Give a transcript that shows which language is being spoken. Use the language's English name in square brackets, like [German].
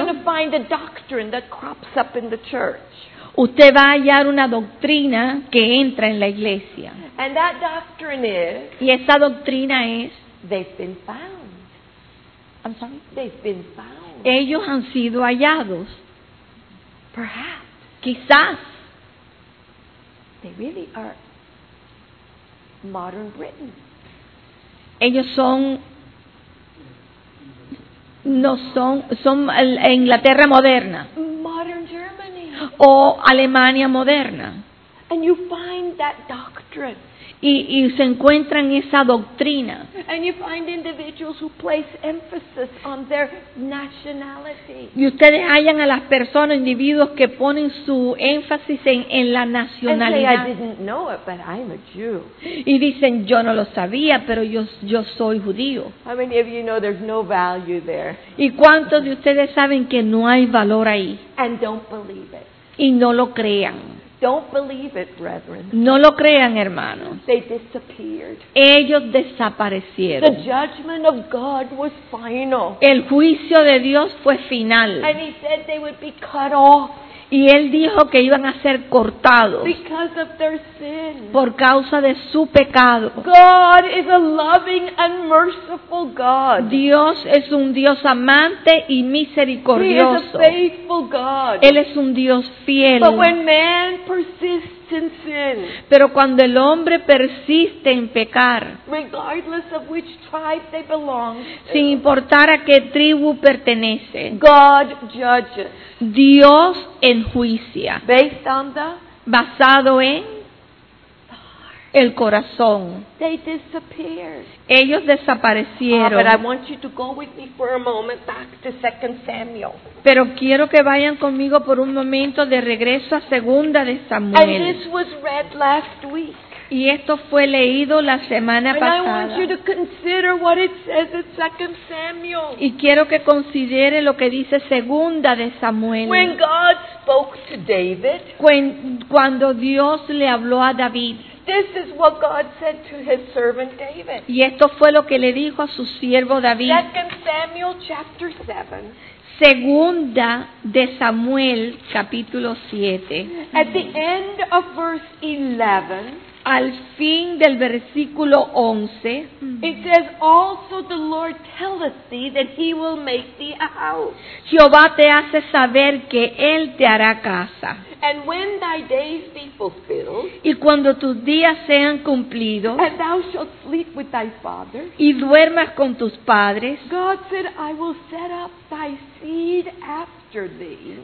[English] You're going to find a doctrine that crops up in the church. [Spanish] Usted va a hallar una doctrina que entra en la iglesia. [English] And that doctrine is, [Spanish] y esa doctrina es, [English] they've been found. I'm sorry? They've been found. [Spanish] Ellos han sido hallados. [English] Perhaps. [Spanish] Quizás. [English] They really are modern Britain. [Spanish] Ellos son, no son, son Inglaterra moderna. [English] Modern Germany. [Spanish] O Alemania moderna. [English] And you find that doctrine. [Spanish] Y se encuentra en esa doctrina. [English] And you find individuals who place emphasis on their nationality. [Spanish] Y ustedes hallan a las personas, individuos que ponen su énfasis en la nacionalidad. [English] And say, I didn't know it, but I'm a Jew. [Spanish] Y dicen, yo no lo sabía, pero yo soy judío. [English] How many of you know there's no value there? [Spanish] ¿Y cuántos de ustedes saben que no hay valor ahí? [English] And don't believe it. [Spanish] Y no lo crean. [English] Don't believe it, brethren. [Spanish] No lo crean, hermanos. [English] They disappeared. [Spanish] Ellos desaparecieron. [English] The judgment of God was final. [Spanish] El juicio de Dios fue final. [English] And he said they would be cut off. [Spanish] Y él dijo que iban a ser cortados. [English] Because of their sin. [Spanish] Por causa de su pecado. [English] God is a loving and merciful God. [Spanish] Dios es un Dios amante y misericordioso. [English] He is a faithful God. [Spanish] Él es un Dios fiel. [English] But when man persists in sin. [Spanish] Pero cuando el hombre persiste en pecar. [English] Regardless of which tribe they belong to. [Spanish] Sin importar a qué tribu pertenece. [English] God judges. [Spanish] Dios enjuicia. [English] Based on the, [Spanish] basado en el corazón. [English] They disappeared. [Spanish] Ellos desaparecieron. [English] But I want you to go with me for a moment back to 2 Samuel. [Spanish] Pero quiero que vayan conmigo por un momento de regreso a 2 de Samuel. [English] And this was read last week. [Spanish] Y esto fue leído la semana pasada. [English] And I want you to consider what it says in 2 Samuel. [Spanish] Y quiero que considere lo que dice 2 de Samuel. [English] When God spoke to David. [Spanish] Cuando Dios le habló a David. [English] This is what God said to his servant David. [Spanish] Y esto fue lo que le dijo a su siervo David. [English] 2 Samuel chapter 7. [Spanish] Segunda de Samuel capítulo 7. [English] At the end of verse 11. [Spanish] Al fin del versículo 11. [English] It says, also the Lord telleth thee that he will make thee a house. [Spanish] Jehová te hace saber que él te hará casa. [English] And when thy days be fulfilled. [Spanish] Y cuando tus días sean cumplidos. [English] And thou shalt sleep with thy father. [Spanish] Y duermas con tus padres. [English] God said, I will set up thy seed after thee.